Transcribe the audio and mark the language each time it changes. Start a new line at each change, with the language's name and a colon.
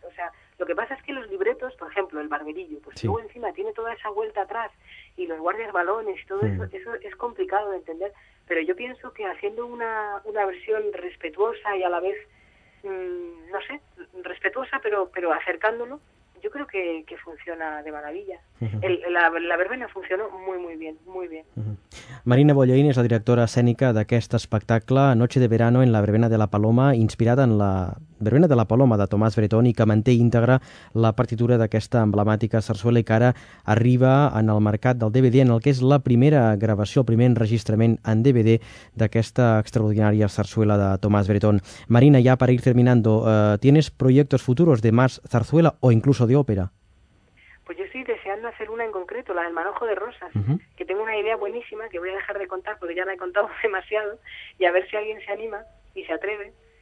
Spanish: O sea, lo que pasa es que los libretos, por ejemplo, el Barberillo, pues luego encima tiene toda esa vuelta atrás, y los guardias balones y todo eso es complicado de entender. Pero yo pienso que haciendo una versión respetuosa y a la vez, no sé, respetuosa, pero acercándolo, yo creo que funciona de maravilla. La verbena funcionó muy, muy bien, muy bien.
Catalan: Marina Bolleín és la directora escènica d'aquest espectacle Noche de Verano en la Verbena de la Paloma, inspirada en la Verbena de la Paloma de Tomàs Bretón, i que manté íntegra la partitura d'aquesta emblemàtica sarsuela, i que ara arriba en el mercat del DVD, en el que és la primera gravació, el primer enregistrament en DVD d'aquesta extraordinària sarsuela de Tomàs Bretón.
Spanish: Marina, ja per ir terminando, ¿tienes proyectos futuros de más zarzuela o incluso de ópera? Pues yo estoy deseando hacer una en concreto, la del Manojo de Rosas, que tengo una idea buenísima que voy a dejar de contar porque ya la he contado demasiado, y a ver si alguien se anima y se atreve.